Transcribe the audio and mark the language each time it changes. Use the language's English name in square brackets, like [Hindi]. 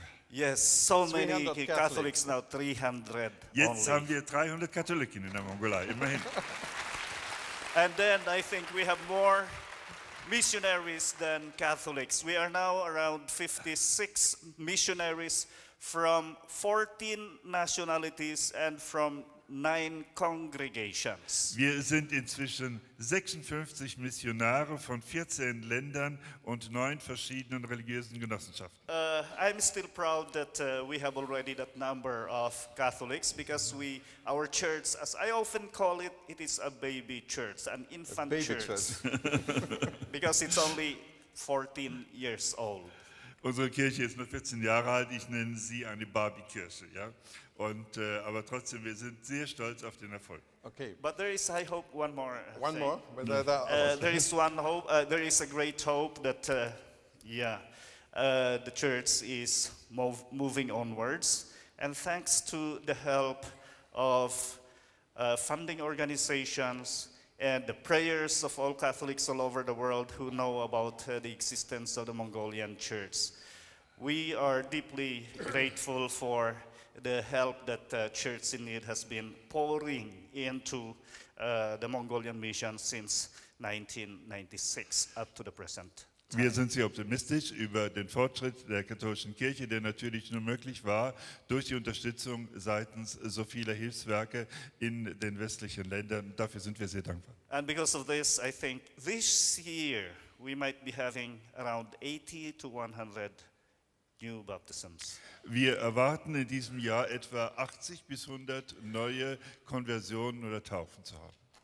[English] Yes, so many Catholics now, 300 Jetzt only. [German] Haben wir 300 Katholiken in der Mongolei, immerhin. [English] And then I think we have more missionaries than Catholics. We are now around 56 missionaries from 14 nationalities and from 9 congregations. [German] Wir sind inzwischen 56 Missionare von 14 Ländern und 9 verschiedenen religiösen Genossenschaften. [English] I'm still proud that we have already that number of Catholics because we, our church, as I often call it, it is a baby church, an infant church. Because it's only 14 years old. [German] Unsere Kirche ist nur 14 Jahre alt, ich nenne sie eine Barbie-Kirche, ja? Und, aber trotzdem, wir sind sehr stolz auf den Erfolg. [English] Okay, but there is, I hope, one more thing. One more? There is one hope, there is a great hope that, the church is moving onwards. And thanks to the help of funding organizations and the prayers of all Catholics all over the world who know about the existence of the Mongolian Church, we are deeply grateful for the help that Church in Need has been pouring into the Mongolian mission since 1996 up to the present. [German] Wir sind sehr optimistisch über den Fortschritt der katholischen Kirche, der natürlich nur möglich war durch die Unterstützung seitens so vieler Hilfswerke in den westlichen Ländern. Dafür sind wir sehr dankbar. [English] And because of this, I think this year we might be having around 80 to 100 new baptisms. [German] Wir erwarten in diesem Jahr etwa 80 bis 100 neue Konversionen oder Taufen zu haben.